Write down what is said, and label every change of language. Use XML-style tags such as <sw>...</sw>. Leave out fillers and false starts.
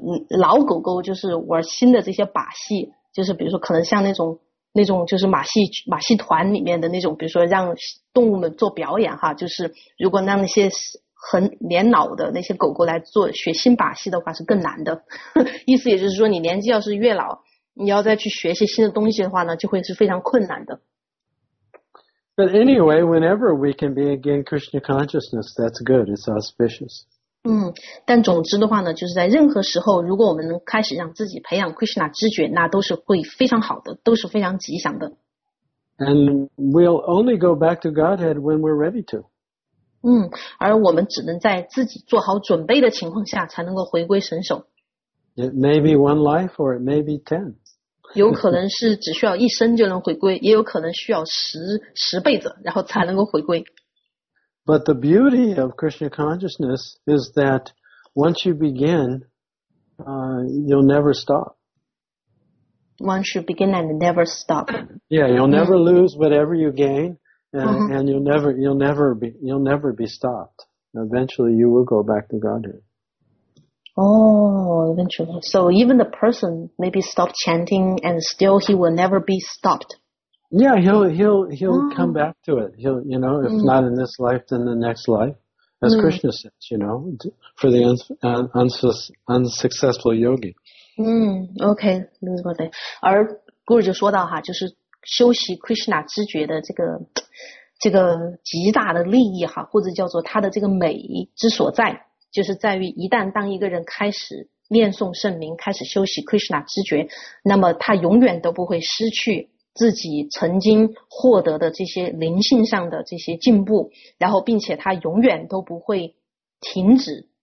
<zh>老狗狗就是玩新的这些把戏，就是比如说可能像那种就是马戏团里面的那种，比如说让动物们做表演哈，就是如果让那些很年老的那些狗狗来做学新把戏的话是更难的，意思也就是说你年纪要是越老，你要再去学习新的东西的话呢，就会是非常困难的。</zh> <en>But anyway, whenever we can be again Krishna consciousness, that's good, it's auspicious.</en> <zh>嗯，但总之的话呢，就是在任何时候，如果我们能开始让自己培养 Krishna 知觉，那都是会非常好的，都是非常吉祥的。</zh> <en>And we'll only go back to Godhead when we're ready to.</en> <zh>嗯，而我们只能在自己做好准备的情况下才能够回归神手。</zh> <en>It may be one life or it may be ten.</en> <zh>有可能是只需要一生就能回归，也有可能需要十辈子然后才能够回归。</zh> <en>But the beauty of Krishna consciousness is that once you begin, you'll never stop. one should begin and never stop. Yeah, you'll never lose whatever you gain, and you'll never be stopped. Eventually, you will go back to Godhead. Oh, eventually. So even the person maybe stop chanting, and still he will never be stopped. Yeah, he'll come back to it. He'll, you know, if not in this life, then the next life. As Krishna says, you know, for the unsuccessful yogi.</en> <zh>嗯，OK， 而 Guru 就说到哈，就是修习 Krishna 知觉的这个极大的利益哈，或者叫做它的这个美之所在，就是在于一旦当一个人开始念诵圣名，开始修习 Krishna 知觉，那么他永远都不会失去自己曾经获得的这些灵性上的这些进步，然后并且他永远都不会停止。</zh>